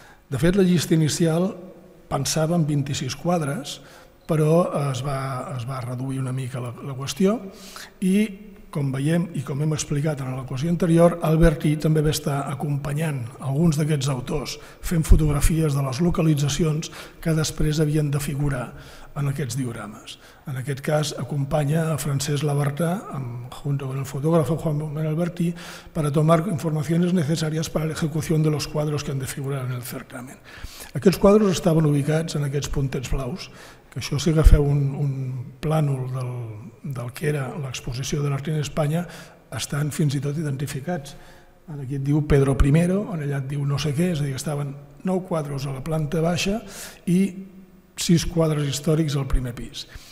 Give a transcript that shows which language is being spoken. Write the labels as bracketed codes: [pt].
[ca] De fet, la llista inicial pensava en 26 quadres, però es va reduir una mica la qüestió i, com veiem i com hem explicat en la qüestió anterior, Alberti també va estar acompanyant alguns d'aquests autors fent fotografies de les localitzacions que després havien de figurar en aquests diorames. En aquest cas, acompanya a [es] Francesc Labartà, junto con el fotógrafo Juan Manuel Alberti, para tomar informaciones necesarias para la ejecución de los cuadros que han de figurar en el certamen. [ca] Aquests quadros estaven ubicats en aquests puntets blaus, que això si agafeu un plànol del que era l'exposició de l'Art en Espanya, estan fins i tot identificats. Aquí et diu Pedro I, on allà et diu no sé què, és a dir, estaven 9 quadros a la planta baixa i 6 quadres històrics al primer pis.